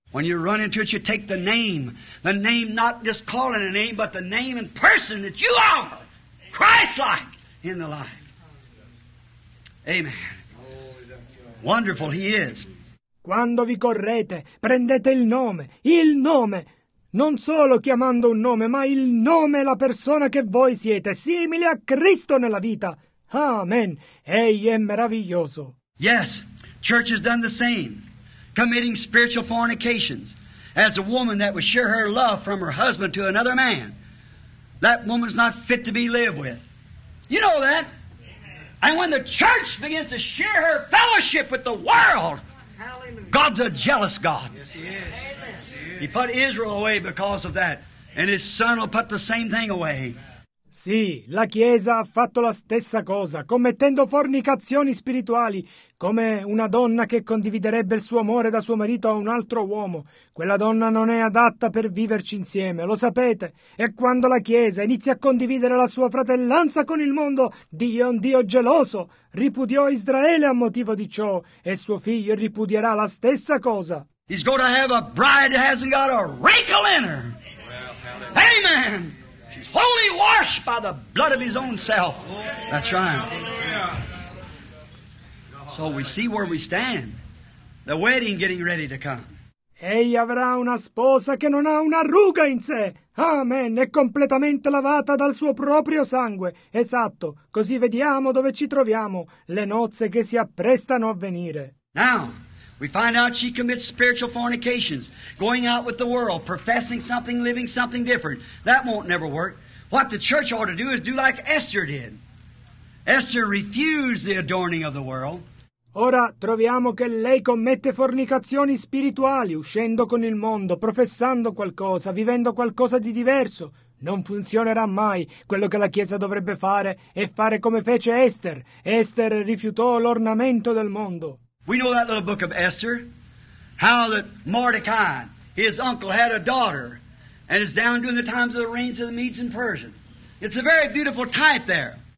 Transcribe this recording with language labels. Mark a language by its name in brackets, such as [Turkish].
[English] When you run into it, you take the name not just calling a name, but the name and person that you are, Christ-like in the life. Amen. Wonderful He is. [Italian] Quando vi correte, prendete il nome, non solo chiamando un nome, ma il nome, la persona che voi siete, simile a Cristo nella vita. Amen. Egli è meraviglioso. [English] Yes, church has done the same, committing spiritual fornications. As a woman that would share her love from her husband to another man, that woman's not fit to be lived with. You know that. And when the church begins to share her fellowship with the world, God's a jealous God. Yes, He is. He put Israel away because of that, and his son will put the same thing away. [Italian] Sì, la Chiesa ha fatto la stessa cosa, commettendo fornicazioni spirituali, come una donna che condividerebbe il suo amore da suo marito a un altro uomo. Quella donna non è adatta per viverci insieme, lo sapete. E quando la Chiesa inizia a condividere la sua fratellanza con il mondo, Dio è un Dio geloso. Ripudiò Israele a motivo di ciò, e suo figlio ripudierà la stessa cosa. [English] He's going to have a bride that hasn't got a wrinkle in her. Well, amen. She's wholly washed by the blood of his own self. That's right. So we see where we stand. The wedding getting ready to come. [Italian] Egli avrà una sposa che non ha una ruga in sé. Amen. È completamente lavata dal suo proprio sangue. Esatto. Così vediamo dove ci troviamo. Le nozze che si apprestano a venire. [English] Now, we find out she commits spiritual fornications, going out with the world, professing something, living something different. That won't never work. What the church ought to do is do like Esther did. Esther refused the adorning of the world. [Italian] Ora troviamo che lei commette fornicazioni spirituali, uscendo con il mondo, professando qualcosa, vivendo qualcosa di diverso. Non funzionerà mai. Quello che la Chiesa dovrebbe fare è fare come fece Esther. Esther rifiutò l'ornamento del mondo. [English] We know that little book of Esther, how that Mordecai, his uncle, had a daughter, and is down during the times of the reigns of the Medes and Persians. It's a very beautiful type there.